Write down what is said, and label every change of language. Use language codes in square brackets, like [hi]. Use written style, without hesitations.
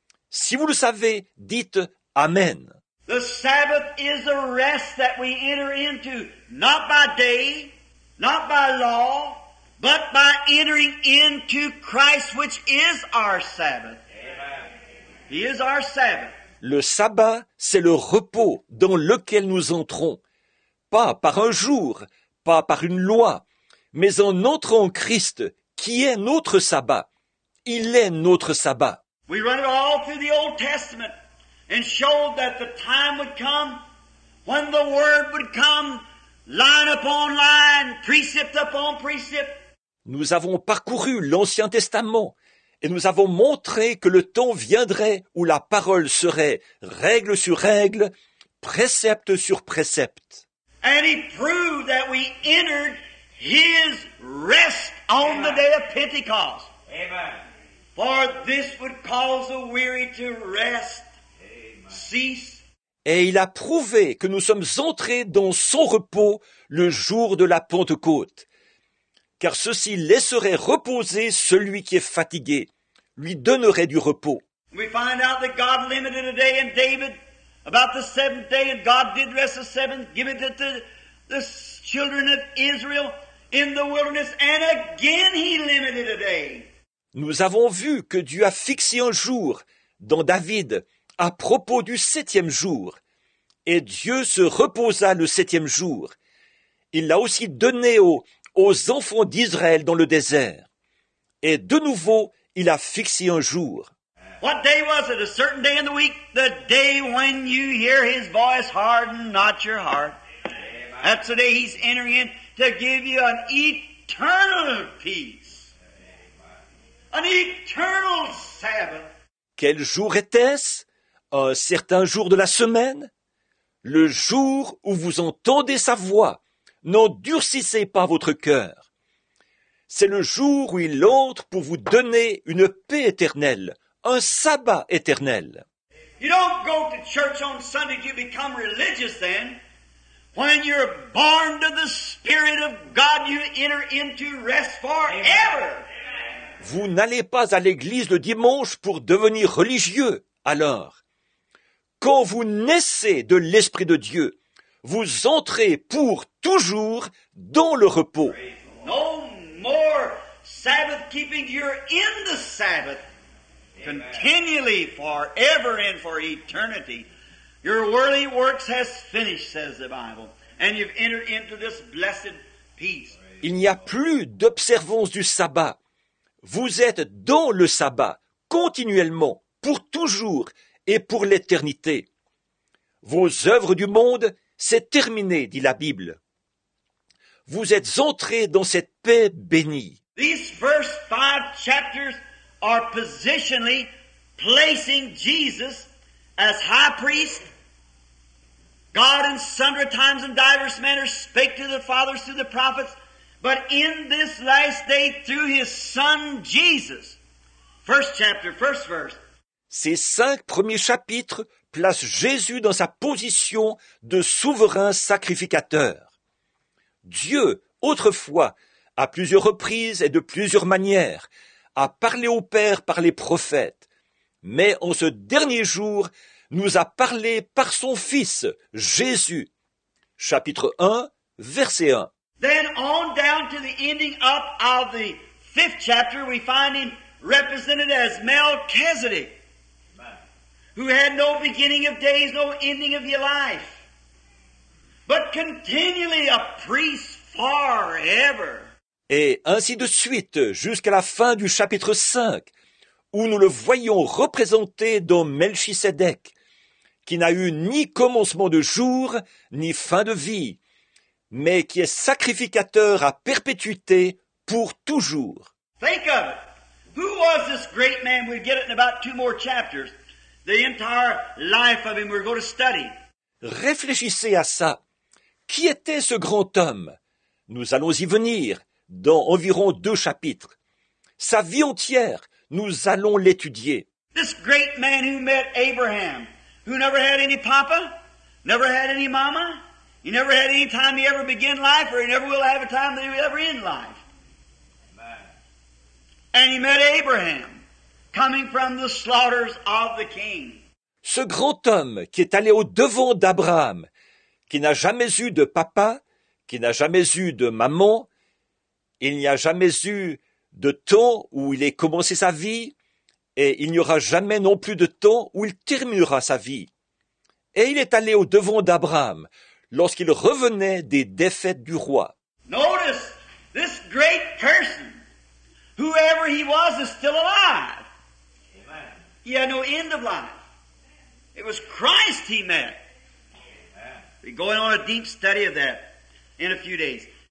[fr] Si vous le savez, dites amen. [en] The Sabbath is a rest that we enter into, not by day, not by law, but by entering into Christ, which is our Sabbath. Amen. He is our Sabbath. [fr] Le sabbat, c'est le repos dans lequel nous entrons, pas par un jour, pas par une loi, mais en entrant en Christ, qui est notre sabbat. Il est notre sabbat. [en] We run it all through the Old Testament and showed that the time would come when the word would come, line upon line, precept upon precept. [fr] Nous avons parcouru l'Ancien Testament et nous avons montré que le temps viendrait où la parole serait règle sur règle, précepte sur précepte. [en] And he proved that we entered his rest on the day of Pentecost. Amen. For this would cause the weary to rest. Cease. [fr] Et il a prouvé que nous sommes entrés dans son repos le jour de la Pentecôte. Car ceci laisserait reposer celui qui est fatigué, lui donnerait du repos. [en] We find out that God limited a day in David about the seventh day, and God did rest the seventh, giving it to the children of Israel in the wilderness, and again he limited a day. [fr] Nous avons vu que Dieu a fixé un jour dans David à propos du septième jour, et Dieu se reposa le septième jour. Il l'a aussi donné aux enfants d'Israël dans le désert. Et de nouveau, il a fixé un jour. [en] What day was it? A certain day in the week? The day when you hear his voice, harden not your heart. That's the day he's entering in to give you an eternal peace. An eternal Sabbath. [fr] Quel jour était-ce? Un certain jour de la semaine? Le jour où vous entendez sa voix. N'endurcissez pas votre cœur. C'est le jour où il entre pour vous donner une paix éternelle, un sabbat éternel. [en] You don't go to church on Sunday, you become religious then. When you're born to the Spirit of God, you enter into rest forever. [fr] Vous n'allez pas à l'église le dimanche pour devenir religieux, alors. Quand vous naissez de l'Esprit de Dieu, vous entrez pour toujours dans le repos. [en] No more Sabbath keeping, you're in the Sabbath. Amen. Continually, forever and for eternity. Your worldly works has finished, says the Bible. And you've entered into this blessed peace. [fr] Il n'y a plus d'observance du sabbat. Vous êtes dans le sabbat, continuellement, pour toujours et pour l'éternité. Vos œuvres du monde, c'est terminé, dit la Bible. Vous êtes entré dans cette paix bénie. [en] These first five chapters are positionally placing Jesus as high priest. God in sundry times and divers manners spake to the fathers through the prophets, but in this last day through his son Jesus. First chapter, first verse. [fr] Ces cinq premiers chapitres place Jésus dans sa position de souverain sacrificateur. Dieu, autrefois, à plusieurs reprises et de plusieurs manières, a parlé au Père par les prophètes, mais en ce dernier jour, nous a parlé par son Fils, Jésus. Chapitre 1, verset 1. [en] Then on down to the ending up of the fifth chapter, we find him represented as Melchizedek. Who had no beginning of days, no ending of your life, but continually a priest forever. [fr] Et ainsi de suite jusqu'à la fin du chapitre 5, où nous le voyons représenté dans Melchisédek, qui n'a eu ni commencement de jour, ni fin de vie, mais qui est sacrificateur à perpétuité pour toujours. [en] Think of it. Who was this great man? We'll get it in about two more chapters. The entire life of him we're going to study. [fr] Réfléchissez à ça. Qui était ce grand homme? Nous allons y venir dans environ deux chapitres. Sa vie entière, nous allons l'étudier. [en] This great man who met Abraham, who never had any papa, never had any mama, he never had any time he ever began life, or he never will have a time that he will ever end life. Amen. And he met Abraham. Coming from the slaughters of the king. [fr] Ce grand homme qui est allé au devant d'Abraham, qui n'a jamais eu de papa, qui n'a jamais eu de maman, il n'y a jamais eu de temps où il ait commencé sa vie, et il n'y aura jamais non plus de temps où il terminera sa vie. Et il est allé au devant d'Abraham lorsqu'il revenait des défaites du roi. [en] Notice, this great person, whoever he was, is still alive. He had no end of life. It was Christ he met. Amen. We're going on a deep study of that in a few days.